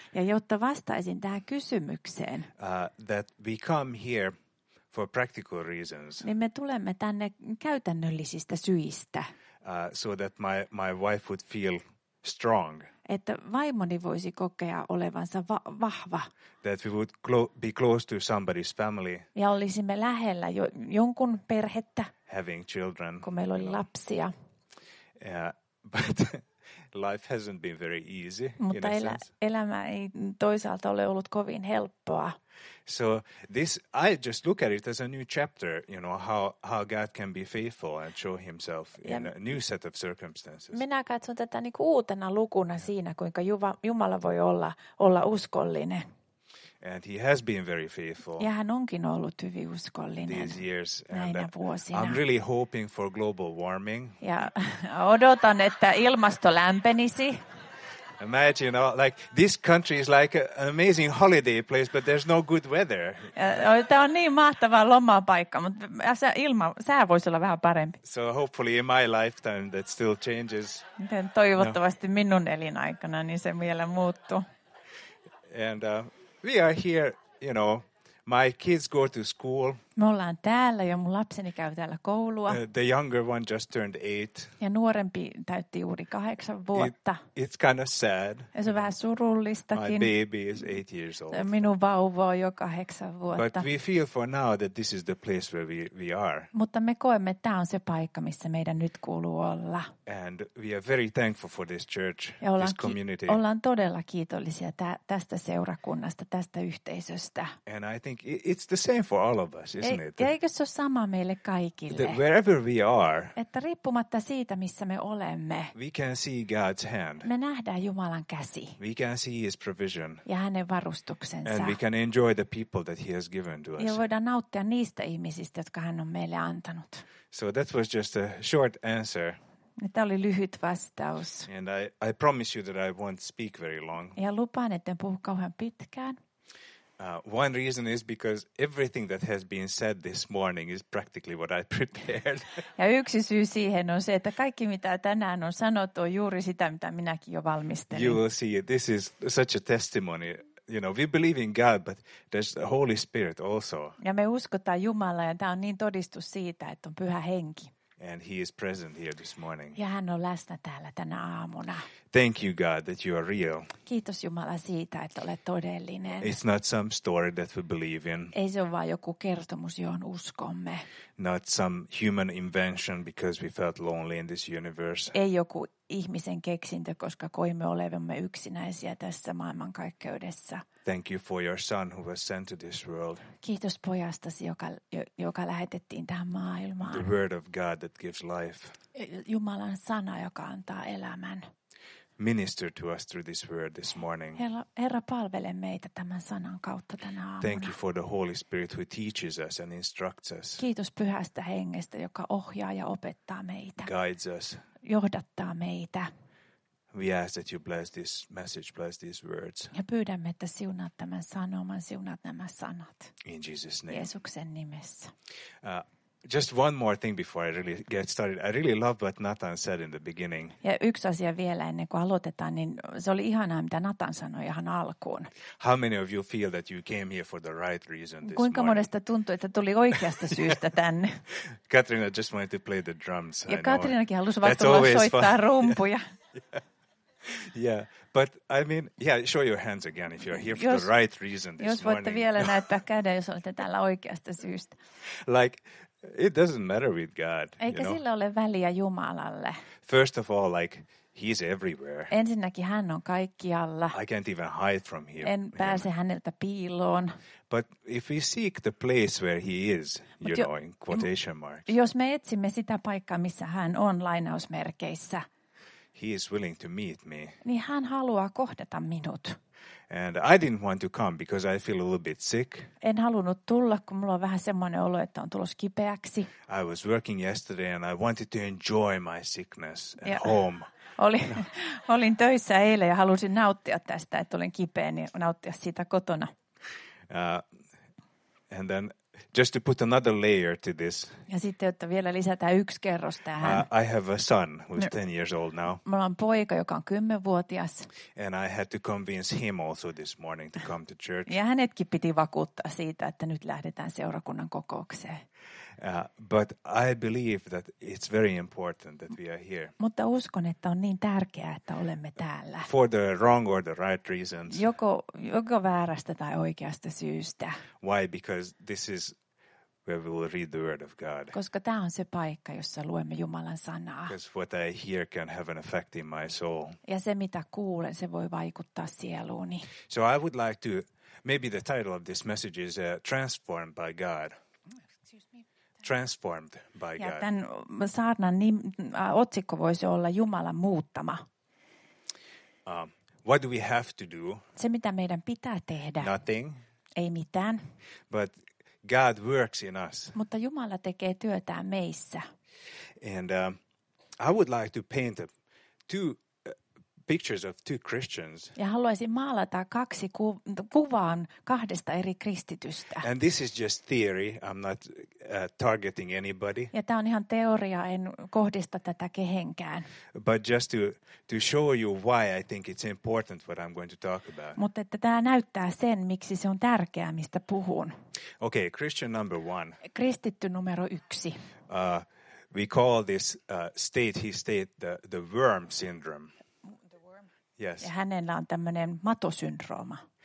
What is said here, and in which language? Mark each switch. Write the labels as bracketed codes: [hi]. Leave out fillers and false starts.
[fi] Ja jotta vastaisin tähän kysymykseen. [en] That we come here for practical reasons. [fi] Niin me tulemme tänne käytännöllisistä syistä. [en] So that my wife would feel strong. [fi] Että vaimoni voisi kokea olevansa vahva. [en] That we would be close to somebody's family. [fi] Ja olisimme lähellä jonkun perhettä. [en] Having children. [fi] Kun meillä oli lapsia. [en] But life hasn't been very easy. [fi] Mutta elämä ei toisaalta ole ollut kovin helppoa. [en] So this, I just look at it as a new chapter, you know, how God can be faithful and show himself in a new set of circumstances. [fi] Minä katson tätä niin kuin uutena lukuna siinä, kuinka Jumala voi olla uskollinen. [en] And he has been very faithful. [fi] Ja hän onkin ollut hyvin uskollinen [en] these years [fi] näinä vuosina. [en] I'm really hoping for global warming. [fi] Ja odotan, että ilmasto lämpenisi. [en] Imagine, like this country is like an amazing holiday place, but there's no good weather. [fi] Tämä on niin mahtava lomapaikka, mutta sää voisi olla vähän parempi. [en] So hopefully in my lifetime that still changes. [fi] Toivottavasti minun elinaikana niin se vielä muuttuu. [en] And we are here, you know. My kids go to school. [fi] Me ollaan täällä ja mun lapseni käy täällä koulua. [en] The younger one just turned 8. [fi] Ja nuorempi täytti juuri 8 vuotta. [en] It's kind of sad. [fi] Ja se on vähän surullistakin. [en] My baby is 8 years old. [fi] Minun vauva on jo 8 vuotta. [en] But we feel for now that this is the place where we are. [fi] Mutta me koemme, että tämä on se paikka, missä meidän nyt kuuluu olla. [en] And we are very thankful for this church, this community. [fi] Ollaan todella kiitollisia tästä seurakunnasta, tästä yhteisöstä. [en] And I think it's the same for all of us. [fi] Eikö se ole sama meille kaikille? [en] That wherever we are, [fi] että riippumatta siitä, missä me olemme, [en] we can see God's hand. [fi] Me nähdään Jumalan käsi. [en] We can see his provision. [fi] Ja hänen varustuksensa. [en] And we can enjoy the people that he has given to us. [fi] Ja voidaan nauttia niistä ihmisistä, jotka hän on meille antanut. [en] So that was just a short answer. [fi] Tämä oli lyhyt vastaus. [en] And I promise you that I won't speak very long. [fi] Ja lupaan, että en puhu kauhean pitkään. [en] One reason is because everything that has been said this morning is practically what I prepared. [fi] Ja yksi syy siihen on se, että kaikki mitä tänään on sanottu on juuri sitä, mitä minäkin jo valmistelin. [en] You will see it. This is such a testimony. You know, we believe in God, but there's the Holy Spirit also. [fi] Ja me uskotaan Jumalaa, ja tämä on niin todistus siitä, että on Pyhä Henki. [en] And he is present here this morning. [fi] Ja hän on läsnä täällä tänä aamuna. [en] Thank you, God, that you are real. [fi] Kiitos Jumala siitä, että olet todellinen. [en] It's not some story that we believe in. [fi] Ei se ole vain joku kertomus, johon uskomme. [en] Not some human invention because we felt lonely in this universe. [fi] Ei joku ihmisen keksintö, koska koimme olevamme yksinäisiä tässä maailmankaikkeudessa. [en] Thank you for your son who was sent to this world. [fi] Kiitos pojastasi, joka lähetettiin tähän maailmaan. [en] The word of God that gives life. [fi] Jumalan sana, joka antaa elämän. [en] minister to us through this word this morning. [fi] Herra, palvele meitä tämän sanan kautta tänä aamuna. [en] Thank you for the Holy Spirit who teaches us and instructs us. [fi] Kiitos pyhästä hengestä, joka ohjaa ja opettaa meitä. [en] Guides us. [fi] Johdattaa meitä. [en] We ask that you bless this message, bless these words. [fi] Ja pyydämme, että siunaat tämän sanoman, siunaat nämä sanat. [en] In Jesus' name. [fi] Jeesuksen nimessä. [en] Just one more thing before I really get started. I really love what Nathan said in the beginning. [fi] Ja yksi asia vielä ennen kuin aloitetaan, niin se oli ihanaa, mitä Nathan sanoi ihan alkuun. [en] How many of you feel that you came here for the right reason this [fi] Kuinka [en] morning? [fi] Kuinka monesta tuntui, että tuli oikeasta syystä tänne? [en] Katrina just wanted to play the drums. [fi] Ja Katrinakin halusi vaan tulla soittaa rumpuja. [en] Yeah, but I mean, yeah, show your hands again if you're here for the right reason this morning. [fi] Jos voitte vielä näyttää käden, jos olette täällä oikeasta syystä. [en] Like, it doesn't matter with God. [fi] Eikä [en] you know? [fi] Sillä ole väliä Jumalalle. [en] First of all, like, he's everywhere. [fi] Ensinnäkin hän on kaikkialla. [en] I can't even hide from him. [fi] En pääse häneltä piiloon. [en] But if we seek the place where he is, you know, in quotation marks. [fi] Jos me etsimme sitä paikkaa, missä hän on, lainausmerkeissä. [en] He is willing to meet me. [fi] Niin hän haluaa kohdata minut. [en] And I didn't want to come because I feel a little bit sick. [fi] En halunnut tulla, kun mulla on vähän semmoinen olo, että on tulossa kipeäksi. [en] I was working yesterday and I wanted to enjoy my sickness at ja home. [fi] Olin töissä eilen ja halusin nauttia tästä, että olin kipeä, niin nauttia siitä kotona. [en] And then just to put another layer to this. [fi] Ja sitten, että vielä lisätään yksi kerros tähän. [en] I have a son who's 10 years old now. [fi] Mulla on poika, joka on 10-vuotias. [en] And I had to convince him also this morning to come to church. [fi] Ja hänetkin piti vakuuttaa siitä, että nyt lähdetään seurakunnan kokoukseen. [en] But I believe that it's very important that we are here. [fi] Mutta uskon, että on niin tärkeää, että olemme täällä. [en] For the wrong or the right reasons. [fi] Joko väärästä tai oikeasta syystä. [en] Why? Because this is where we will read the word of God. [fi] Koska tämä on se paikka, jossa luemme Jumalan sanaa. [en] Because what I hear can have an effect in my soul. [fi] Ja se, mitä kuulen, se voi vaikuttaa sieluuni. [en] So I would like to, maybe the title of this message is Transformed by God. Transformed by God. [fi] Ja tämän saarnan otsikko voisi olla Jumalan muuttama. [en] What do we have to do? [fi] Se, mitä meidän pitää tehdä. [en] Nothing. [fi] Ei mitään. [en] But God works in us. [fi] Mutta Jumala tekee työtään meissä. [en] And I would like to paint two pictures of two Christians. [fi] Ja haluaisin maalata kaksi kuvaan kahdesta eri kristitystä. [en] And this is just theory. I'm not targeting anybody. [fi] Ja tämä on ihan teoria, en kohdista tätä kehenkään. [en] But just to show you why I think it's important what I'm going to talk about. [fi] Mutta että tämä näyttää sen, miksi se on tärkeää, mistä puhun. [en] Okay, Christian number one. [fi] Kristitty numero yksi. [en] We call this state the worm syndrome. Yes. [fi] Ja hänellä on tämmöinen matosyndrooma.